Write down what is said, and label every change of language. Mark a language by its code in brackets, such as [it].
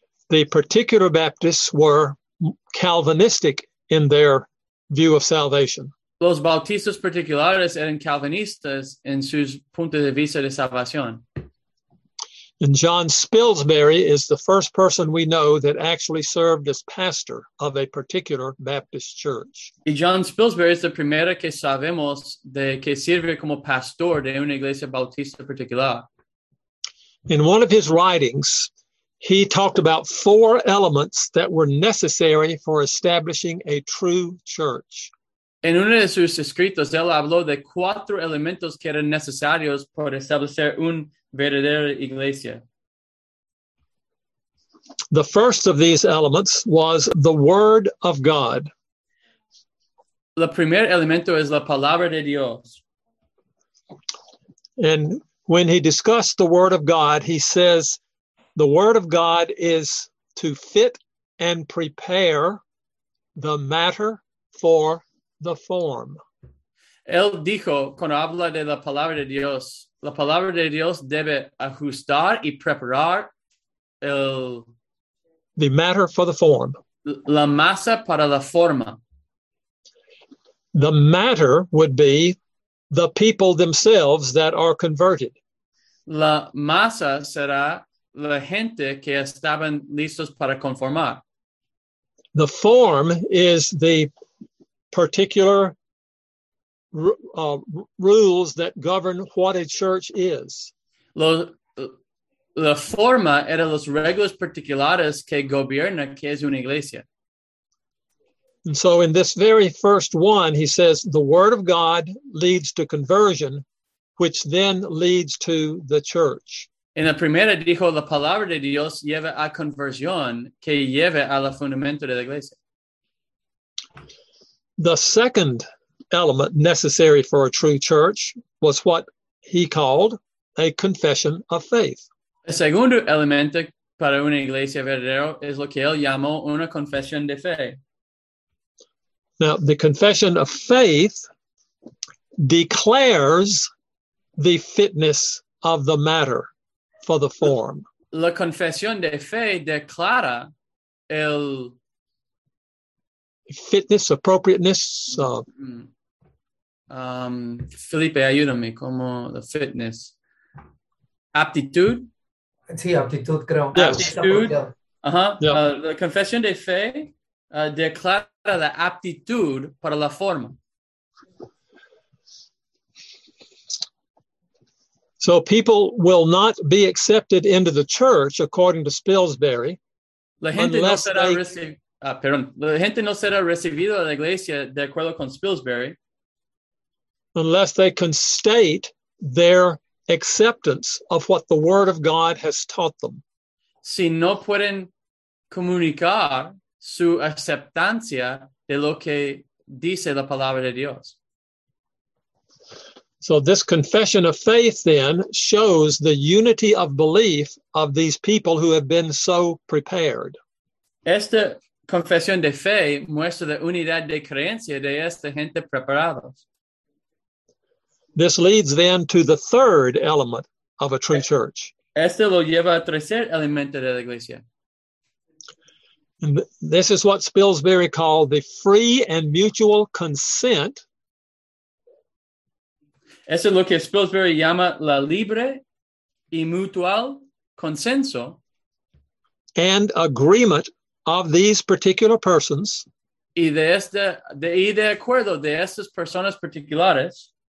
[en] The particular Baptists were Calvinistic in their view of salvation. [es] Los bautistas particulares eran calvinistas en sus puntos de vista de salvación. [en] And John Spilsbury is the first person we know that actually served as pastor of a particular Baptist church. [es] Y John Spilsbury es la primera que sabemos de que sirve como pastor de una iglesia bautista particular. [en] In one of his writings, he talked about four elements that were necessary for establishing a true church. [es] En uno de sus escritos, él habló de cuatro elementos que eran necesarios para establecer una verdadera iglesia. [en] The first of these elements was the Word of God. [es] El primer elemento es la palabra de Dios. [en] And when he discussed the Word of God, he says, the Word of God is to fit and prepare the matter for the form. [es] Él dijo, cuando habla de la palabra de Dios debe ajustar y preparar el... [en] The matter for the form. [es] La masa para la forma. [en] The matter would be the people themselves that are converted. [es] La masa será la gente que estaban listos para conformar. [en] The form is the particular rules that govern what a church is. [es] La forma era los reglas particulares que gobierna que es una iglesia. [en] And so in this very first one, he says, the Word of God leads to conversion, which then leads to the church. [es] En la primera dijo, la palabra de Dios lleva a conversión, que lleva al fundamento de la iglesia. [en] The second element necessary for a true church was what he called a confession of faith. [es] El segundo elemento para una iglesia verdadera es lo que él llamó una confesión de fe. [en] Now, the confession of faith declares the fitness of the matter for the form. [es] La confesión de fe declara el... [en] Fitness, appropriateness. [es] Felipe, ayúdame, como [en] the fitness. Aptitude? [es] Sí, aptitud, creo. [en] Yes. Aptitude. The confession [es] de fe... declara la aptitud para la forma. [en] So people will not be accepted into the church, according to Spilsbury. [es] La gente no será recibida a la iglesia de acuerdo con Spilsbury. [en] Unless they can state their acceptance of what the Word of God has taught them. [es] Si no pueden comunicar su aceptancia de lo que dice la palabra de Dios. [en] So this confession of faith then shows the unity of belief of these people who have been so prepared. [es] Esta confesión de fe muestra la unidad de creencia de esta gente preparada. [en] This leads then to the third element of a true church. [es] Este lo lleva al tercer elemento de la iglesia. [en] And this is what Spilsbury called the free and mutual consent. [es] Eso es lo que Spilsbury llama la libre y mutual consenso. [en] And agreement of these particular persons. [es] Y de, este, de, y de acuerdo de estas personas particulares.